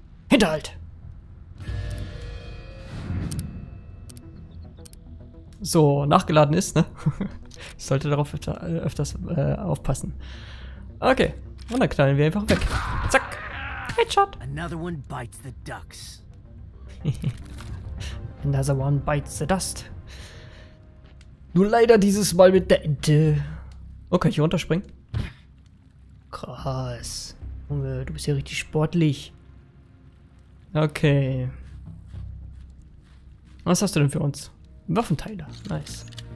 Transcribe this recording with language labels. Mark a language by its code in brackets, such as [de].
[de] Hinterhalt! So, nachgeladen ist, ne? Ich sollte darauf öfters aufpassen. Okay. Und dann knallen wir einfach weg. Zack! Headshot! [en] Another one bites the ducks. Another one bites the dust. [de] Nur leider dieses Mal mit der Ente. Oh, kann ich hier runterspringen? Krass. Junge, du bist ja richtig sportlich. Okay. Was hast du denn für uns? Waffenteile. Nice.